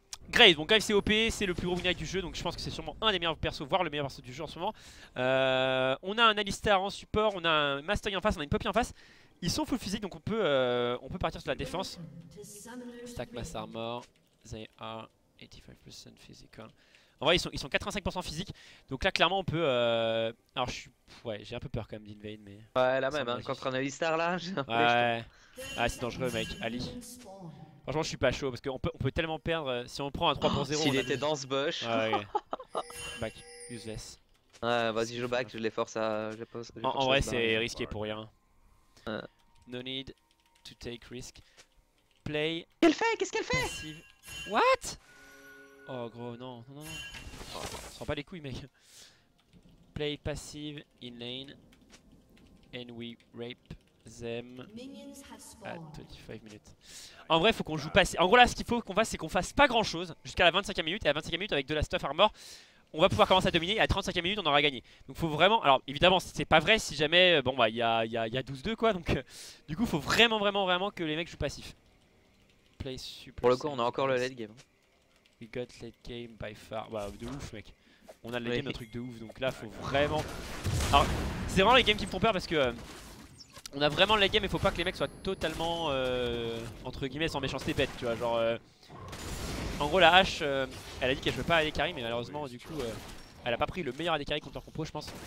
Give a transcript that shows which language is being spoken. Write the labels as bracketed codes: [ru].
[fr] Grace, bon Grace c'est OP, c'est le plus gros winner du jeu, donc je pense que c'est sûrement un des meilleurs persos, voire le meilleur perso du jeu en ce moment. On a un Alistar en support, on a un Mastery en face, on a une Poppy en face. Ils sont full physique, donc on peut partir sur la défense. [en] Stack Mass Armor, they are 85% physical. [fr] En vrai, ils sont 85% physique, donc là clairement on peut. Alors je suis. Ouais, j'ai un peu peur quand même d'Invade, mais. Ouais, la même, hein, contre un Alistar là, j'ai un peu. Ouais. Ah, c'est dangereux, mec, Ali. Franchement, je suis pas chaud parce qu'on peut tellement perdre si on prend un 3-0. S'il était dans ce bush. Ouais, ouais. [en] Back, useless. [fr] Ouais, vas-y, je back, je les force à. Je les force en vrai, c'est risqué pour rien. [en] No need to take risk. Play. [fr] Qu'elle fait? Qu'est-ce qu'elle fait? [en] Passive. What? [fr] Oh gros, non, non, non. Oh, on se rend pas les couilles, mec. [en] Play passive in lane. And we rape them at 25 minutes. [fr] En vrai, faut qu'on joue passive. En gros, là, ce qu'il faut qu'on fasse, c'est qu'on fasse pas grand-chose jusqu'à la 25ème minute. Et à la 25ème minute, avec de la stuff armor, on va pouvoir commencer à dominer, et à 35ème minute on aura gagné. Donc faut vraiment, alors évidemment c'est pas vrai si jamais, bon bah il y a 12-2 quoi, donc du coup faut vraiment que les mecs jouent passif. [en] Play super. [fr] Pour le coup on a encore le late game. [en] We got late game by far, [fr] bah de ouf mec. On a le late game, un truc de ouf, donc là faut vraiment. Alors c'est vraiment les games qui me font peur parce que on a vraiment le late game et faut pas que les mecs soient totalement entre guillemets sans méchanceté bête, tu vois, genre en gros la hache, elle a dit qu'elle jouait pas à AD carry, mais malheureusement du coup elle a pas pris le meilleur AD carry contre leur compo, je pense.